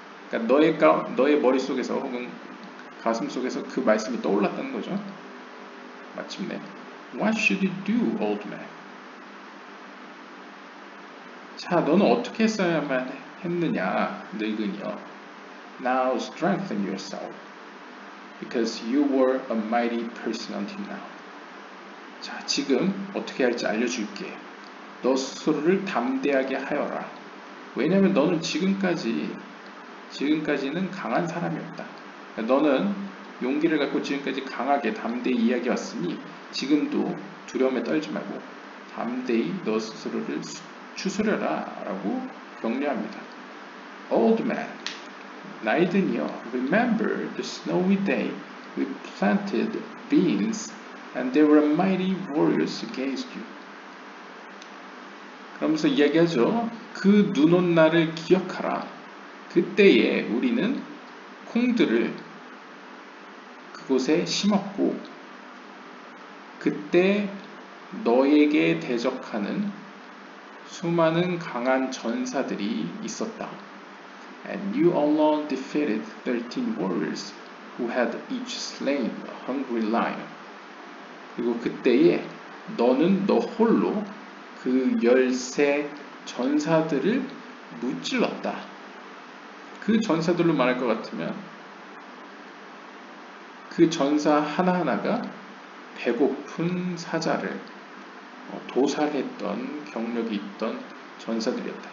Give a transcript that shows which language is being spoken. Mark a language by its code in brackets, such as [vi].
[ko] 그러니까 너의 머릿속에서 혹은 가슴 속에서 그 말씀이 떠올랐다는 거죠. 마침내. [en] What should you do, old man? [ko] 자, 너는 어떻게 했어야만 했느냐, 늙은이여. [en] Now strengthen yourself, because you were a mighty person until now. [ko] 자, 지금 어떻게 할지 알려줄게. 너 스스로를 담대하게 하여라. 왜냐면 너는 지금까지는 강한 사람이었다. 너는 용기를 갖고 지금까지 강하게 담대히 이야기해왔으니 지금도 두려움에 떨지 말고 담대히 너 스스로를 추스려라 라고 격려합니다. [en] Old man, [ko] 나이 든이여, remember the snowy day we planted beans and they were mighty warriors against you. 그러면서 이야기하죠. 그 눈 온 날을 기억하라. 그때에 우리는 콩들을 그곳에 심었고 그때 너에게 대적하는 수많은 강한 전사들이 있었다. [en] And you alone defeated 13 warriors who had each slain a hungry lion. [ko] 그리고 그때에 너는 너 홀로 그 열세 전사들을 무찔렀다. 그 전사들로 말할 것 같으면 그 전사 하나하나가 배고픈 사자를 도살했던 경력이 있던 전사들이었다.